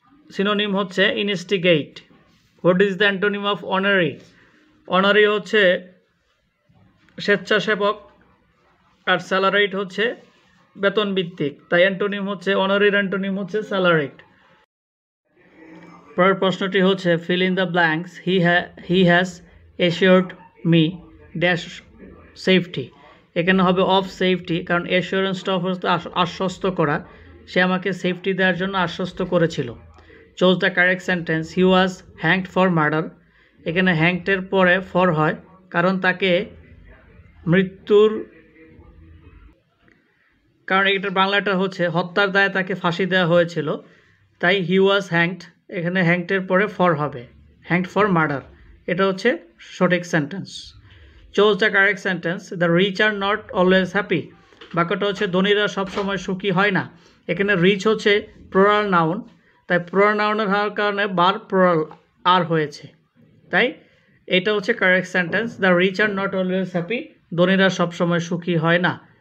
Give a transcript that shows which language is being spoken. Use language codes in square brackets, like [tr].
[bn] Synonym হচ্ছে instigate [en] what is the antonym of honorary [bn] honorary হচ্ছে স্বেচ্ছাসেবক আর স্যালারাইট হচ্ছে বেতন ভিত্তিক তাই অ্যান্টোনিম হচ্ছে অনারির অ্যান্টোনিম হচ্ছে স্যালারাইট পরের প্রশ্নটি হচ্ছে [en] fill in the blanks he has assured me dash safety [bn] এখানে হবে অফ সেফটি কারণ এশিওরেন্সটা আশ্বস্ত করা সে আমাকে সেফটি দেওয়ার জন্য আশ্বস্ত করেছিল [en] chose the correct sentence. He was hanged for murder. [bn] এখানে hanged এর পরে for হয় কারণ তাকে মৃত্যুর কারণ এটার বাংলাটা হচ্ছে হত্যার দায়ে তাকে ফাঁসি দেওয়া হয়েছিল তাই [en] he was hanged [bn] এখানে hanged এর পরে for হবে hanged for murder এটা হচ্ছে সঠিক sentence. [en] Chose the correct sentence. The rich are not always happy. [bn] বাক্যটা হচ্ছে ধনীরা সবসময় সুখী হয় না এখানে রিচ হচ্ছে প্লুরাল নাউন তাই প্লুরাল নাউনের হওয়ার কারণে বার প্লুরাল আর হয়েছে তাই এটা হচ্ছে correct sentence [en] the rich are not always happy [bn] ধনীরা সবসময় সুখী হয় না